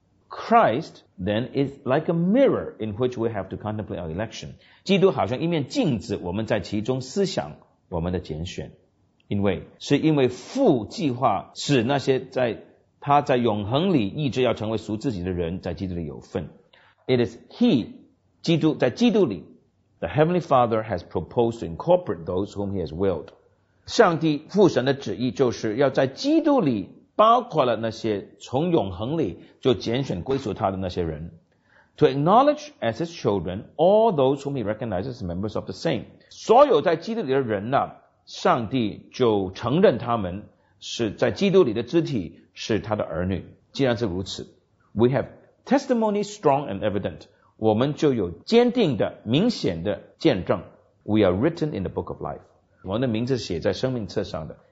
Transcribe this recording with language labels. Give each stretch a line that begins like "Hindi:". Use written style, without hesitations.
English: Christ then is like a mirror in which we have to contemplate our election，
Chinese: 基督好像一面镜子，我们在其中思想我们的拣选。因为是因为父计划使那些在他在永恒里一直要成为属自己的人在基督里有份。
English: It is He,
Chinese: 基督，在基督里，
English: the Heavenly Father has proposed to incorporate those whom He has willed.
Chinese: 上帝父神的旨意就是要在基督里包括了那些从永恒里就拣选归属他的那些人。
English: To acknowledge as His children all those whom He recognizes as members of the same.
Chinese: 所有在基督里的人呢，上帝就承认他们是在基督里的肢体，是他的儿女。既然是如此，
English: We have testimony strong and evident，
Chinese: 我们就有坚定的明显的见证。
English: We are written in the book of life，
Chinese: 我们的名字写在生命册上的。